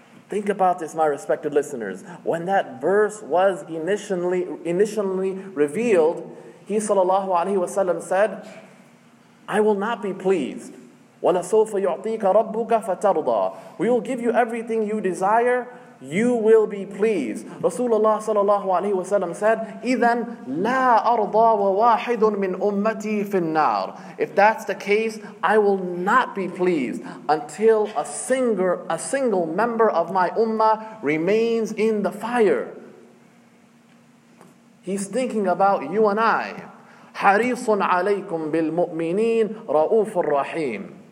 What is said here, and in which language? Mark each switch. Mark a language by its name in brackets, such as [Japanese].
[English] Think about this, my respected listeners. When that verse was initially revealed, he sallallahu alayhi wa sallam said, I will not be pleased. [Arabic] وَلَسَوْفَ يُعْطِيكَ رَبُّكَ فَتَرْضَى. [English] We will give you everything you desire, you will be pleased. Rasulullah sallallahu alayhi wa sallam said, [Arabic] إِذَنْ لَا أَرْضَى وَوَاحِدٌ مِّنْ أُمَّتِي فِي النَّارِ. [English] If that's the case, I will not be pleased until a single member of my ummah remains in the fire. He's thinking about you and I. [Arabic] حَرِيصٌ عَلَيْكُمْ بِالْمُؤْمِنِينَ رَؤُوفُ الرَّحِيمِ.